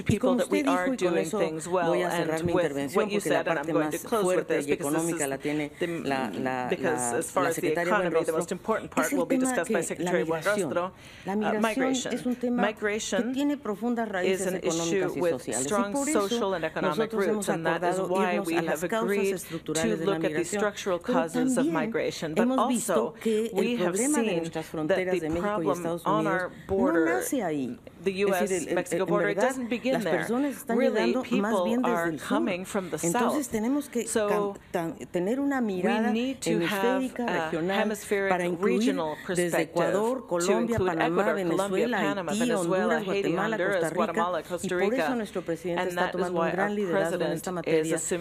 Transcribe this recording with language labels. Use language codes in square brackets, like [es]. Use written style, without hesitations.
[es] Y como usted dijo, y con eso voy a cerrar mi intervención, porque la parte más fuerte y económica la tiene la secretaria Buenrostro, es el tema que La migración es un tema que tiene profundas raíces económicas y sociales. Y por eso nosotros hemos acordado irnos a las causas estructurales de la migración. Pero también hemos visto que el problema de nuestras fronteras de México y Estados Unidos no nace ahí. [en] The U.S.-Mexico border doesn't begin there. [es] Las personas están llegando más bien desde el sur. Entonces tenemos que tener una mirada hemisférica, regional, para incluir desde Ecuador, Colombia, Panamá, Venezuela, Haití, Honduras, Guatemala, Costa Rica. Y por eso nuestro presidente está tomando un gran liderazgo en esta materia.